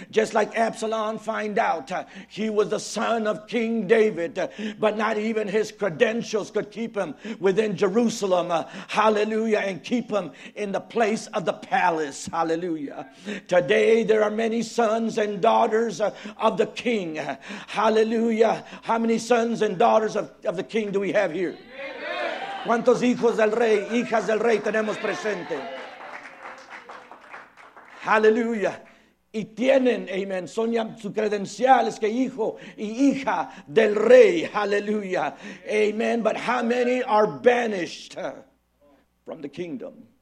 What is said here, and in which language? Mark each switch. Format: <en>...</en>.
<en>Just like Absalom find out he was the son of King David, but not even his credentials could keep him within Jerusalem. Hallelujah. And keep him in the place of the palace. Hallelujah. Today there are many sons and daughters of the king. Hallelujah. How many sons and daughters of the king do we have here? Amen.</en> <es>¿Cuántos hijos del rey, hijas del rey tenemos presente? Hallelujah. Y tienen, amen, son ya sus credenciales que hijo y hija del rey. Hallelujah. Amen.</es> <en>But how many are banished from the kingdom?</en>